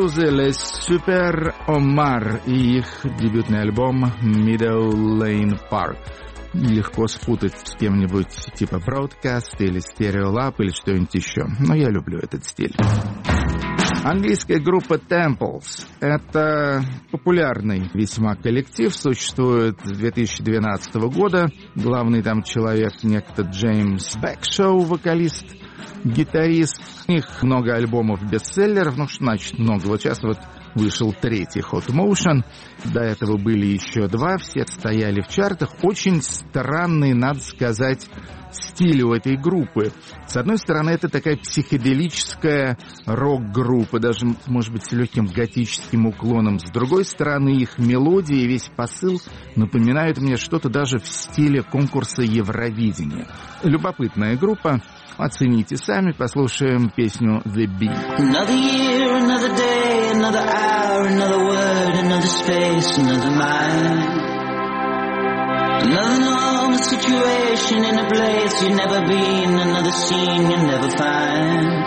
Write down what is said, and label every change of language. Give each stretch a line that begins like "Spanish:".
Russian: «Les Super Omar» и их дебютный альбом «Middle Lane Park». Легко спутать с кем-нибудь типа «Broadcast» или «Stereo Lab» или что-нибудь еще. Но я люблю этот стиль. Английская группа «Temples» — это популярный весьма коллектив, существует с 2012 года. Главный там человек — некто Джеймс Бэкшоу, вокалист. Гитарист. У них много альбомов бестселлеров. Ну, что значит много? Вот сейчас вот вышел третий Hot Motion. До этого были еще два, все стояли в чартах. Очень странный, надо сказать, стиль у этой группы. С одной стороны, это такая психоделическая рок-группа, даже, может быть, с легким готическим уклоном. С другой стороны, их мелодии и весь посыл напоминают мне что-то даже в стиле конкурса Евровидения. Любопытная группа. Оцените сами, послушаем песню «The Beat».
English: Another year, another day, another hour, another word, another space, another mind. Another normal situation in a place you've never been, another scene you'll never find.